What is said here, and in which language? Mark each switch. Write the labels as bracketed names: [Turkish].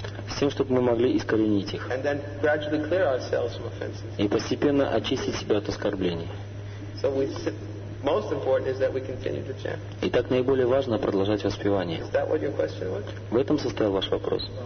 [Russian] С тем, чтобы мы могли искоренить их [English] and then gradually clear ourselves from offenses. [Russian] И постепенно очистить себя от оскорблений. [English] So we, most important is that we continue to chant. [Russian] Итак, наиболее важно продолжать воспевание. [English] Is that what your question was? [Russian] В этом состоял ваш вопрос.